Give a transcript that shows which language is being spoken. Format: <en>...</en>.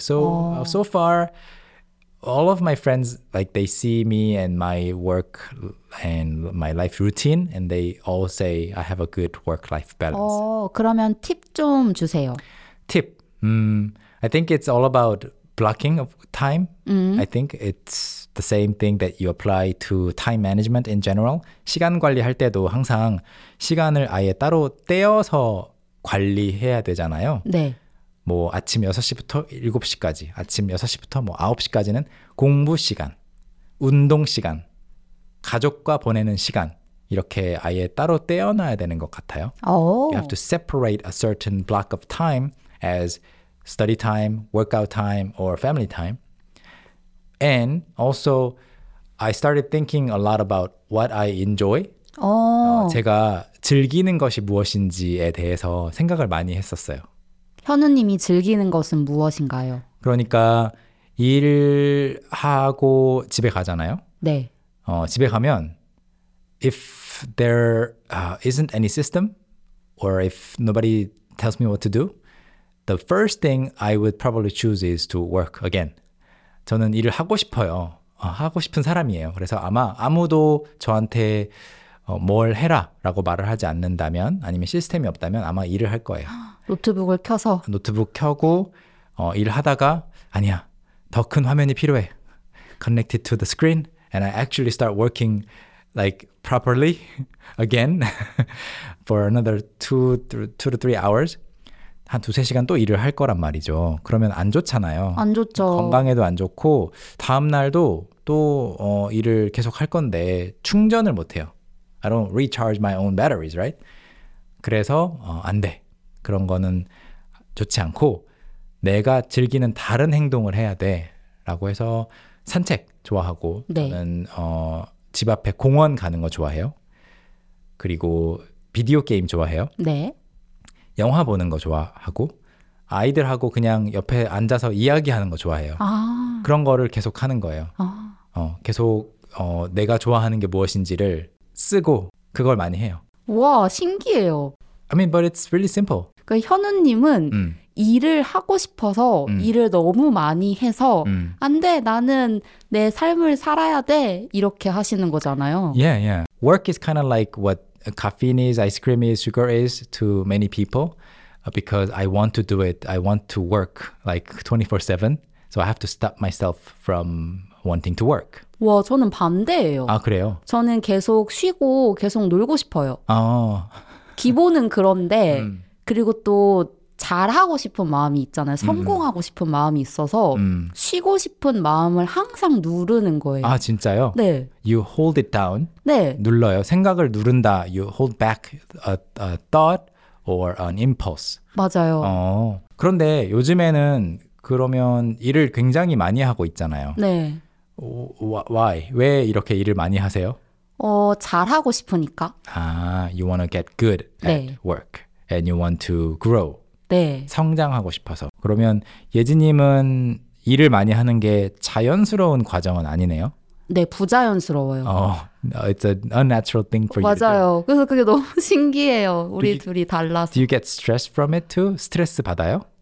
<en>So, so far, all of my friends, like they see me and my work and my life routine, and they all say I have a good work-life balance.</en> <ko>그러면 팁 좀 주세요. 팁.</ko> <en>I think it's all about blocking of time. I think it's the same thing that you apply to time management in general.</en> <ko>시간 관리할 때도 항상 시간을 아예 따로 떼어서 관리해야 되잖아요. 네. 뭐 아침 6시부터 7시까지, 아침 6시부터 뭐 9시까지는 공부 시간, 운동 시간, 가족과 보내는 시간 이렇게 아예 따로 떼어놔야 되는 것 같아요.</ko> <en>You have to separate a certain block of time as study time, workout time, or family time. And also, I started thinking a lot about what I enjoy.</en> <ko>제가 즐기는 것이 무엇인지에 대해서 생각을 많이 했었어요. 현우님이 즐기는 것은 무엇인가요? 그러니까 일하고 집에 가잖아요. 네. 집에 가면</ko> <en>if there isn't any system or if nobody tells me what to do, the first thing I would probably choose is to work again.</en> <ko>저는 일을 하고 싶어요. 하고 싶은 사람이에요. 그래서 아마 아무도 저한테 뭘 해라 라고 말을 하지 않는다면 아니면 시스템이 없다면 아마 일을 할 거예요. 노트북을 켜서? 노트북 켜고 일하다가 아니야 더 큰 화면이 필요해.</ko> <en>Connected to the screen and I actually start working like properly again for another two to three hours.</en> <ko>한 두세 시간 또 일을 할 거란 말이죠. 그러면 안 좋잖아요. 안 좋죠. 건강에도 안 좋고 다음 날도 또 일을 계속 할 건데 충전을 못 해요.</ko> <en>I don't recharge my own batteries, right?</en> <ko>그래서 안 돼. 그런 거는 좋지 않고 내가 즐기는 다른 행동을 해야 돼. 라고 해서 산책 좋아하고 네. 저는 집 앞에 공원 가는 거 좋아해요. 그리고 비디오 게임 좋아해요. 네. 영화 보는 거 좋아하고 아이들하고 그냥 옆에 앉아서 이야기하는 거 좋아해요. 그런 거를 계속 하는 거예요. 계속 내가 좋아하는 게 무엇인지를 쓰고 그걸 많이 해요. 와, 신기해요.</ko> <en>I mean, but it's really simple.</en> <ko>그러니까 현우님은 일을 하고 싶어서 일을 너무 많이 해서 안 돼, 나는 내 삶을 살아야 돼, 이렇게 하시는 거잖아요.</ko> <en>Yeah, yeah. Work is kind of like what caffeine is, ice cream is, sugar is to many people because I want to do it. I want to work like 24/7. So I have to stop myself from wanting to work.</en> <ko>와, 저는 반대예요. 아, 그래요? 저는 계속 쉬고 계속 놀고 싶어요. 아. 기본은 그런데 그리고 또 잘하고 싶은 마음이 있잖아요. 성공하고 싶은 마음이 있어서 쉬고 싶은 마음을 항상 누르는 거예요. 아, 진짜요? 네.</ko> <en>You hold it down.</en> <ko>네. 눌러요. 생각을 누른다.</ko> <en>You hold back a thought or an impulse.</en> <ko>맞아요. 그런데 요즘에는 그러면 일을 굉장히 많이 하고 있잖아요. 네.</ko> <en>Why?</en> <ko>왜 이렇게 일을 많이 하세요? 잘하고 싶으니까.</ko> <en>아, you want to get good at 네. work and you want to grow.</en> <ko>네. 성장하고 싶어서. 그러면 예지님은 일을 많이 하는 게 자연스러운 과정은 아니네요? 네, 부자연스러워요.</ko> <en>Oh, it's an unnatural thing for</en> <ko>맞아요. 맞아요. 그래서 그게 너무 신기해요. 우리 you, 둘이 달라서.</ko> <en>Do you get stressed from it too?</en> <ko>스트레스 받아요?</ko>